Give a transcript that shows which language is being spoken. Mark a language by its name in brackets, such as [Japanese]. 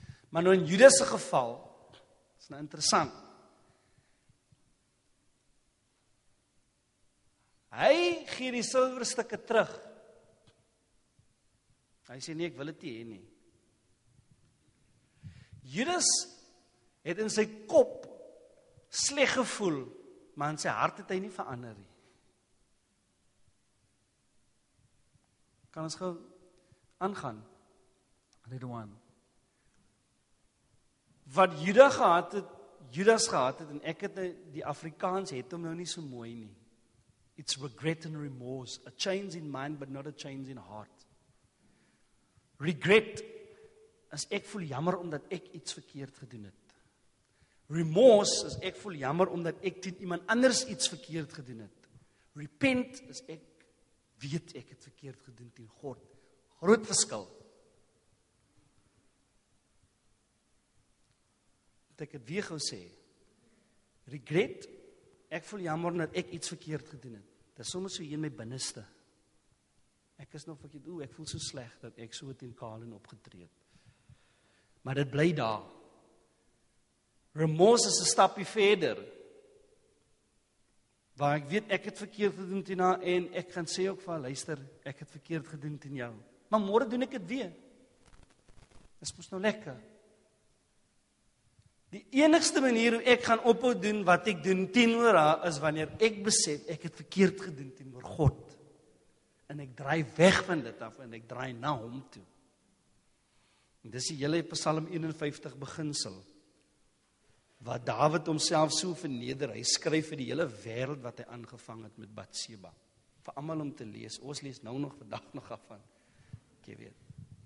[Afrikaans] Maar nou in Judas se geval, is nou interessant, hy gee die silwerstukke terug. Hy sê nee, ek wil dit nie hê nie. Judas het in sy kop sleg gevoel, maar in sy hart het hy nie verander nie. Kan ons gou aangaan, Ridwan. Wat Judas gehad het, en ek het die Afrikaans het hom nou nie so mooi nie. [English] It's regret and remorse, a change in mind but not a change in heart. [Afrikaans] Regret, as ek voel jammer omdat ek iets verkeerd gedoen het. Remorse, as ek voel jammer omdat ek teen iemand anders iets verkeerd gedoen het. Repent, as ek weet ek het verkeerd gedoen teen God. Groot verskil. Wat ek het weer gou sê, regret, ek voel jammer dat ek iets verkeerd gedoen het. Dit is sommer so hier in my binneste. Ek is nog verkeerd. Ek voel so sleg dat ek so teen Kalen opgetree het. Maar dit bly daar. Remorse is 'n stapie verder. Waar ek weet ek het verkeerd gedoen teen haar en ek gaan sê ook vir haar, luister, ek het verkeerd gedoen teen jou. Maar môre doen ek dit weer. Dis mos nou lekker. Die enigste manier hoe ek gaan ophou doen wat ek doen teenoor haar is wanneer ek besef ek het verkeerd gedoen teenoor God. En ek draai weg van dit af en ek draai na hom toe. En dis die hele Psalm 51 beginsel, wat David homself so verneder, hy skryf vir die hele wêreld wat hy aangevang het met Bathsheba, vir almal om te lees, ons lees nou nog vandag nog af van, ek weet.